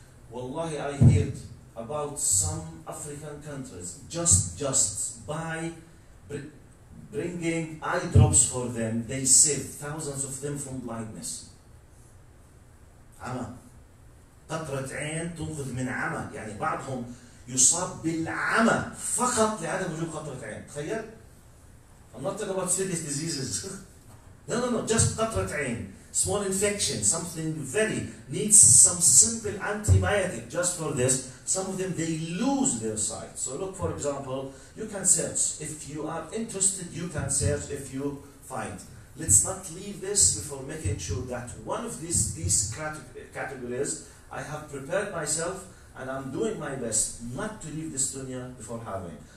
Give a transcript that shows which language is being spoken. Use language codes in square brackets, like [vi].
[en] Wallahi, I heard about some African countries just by bringing eye drops for them, they saved thousands of them from blindness. Ama. [ar] قطرة عين تنقذ من عمى، يعني بعضهم يصاب بالعمى فقط لعدم وجود قطرة عين، تخيل؟ I'm not talking about serious diseases. [en] No, just قطرة عين. Small infection, something very needs some simple antibiotic just for this. Some of them, they lose their sight. So look, for example, you can search. If you are interested, you can search if you find. Let's not leave this before making sure that one of these categories I have prepared myself, and I'm doing my best not to leave this dunya before having.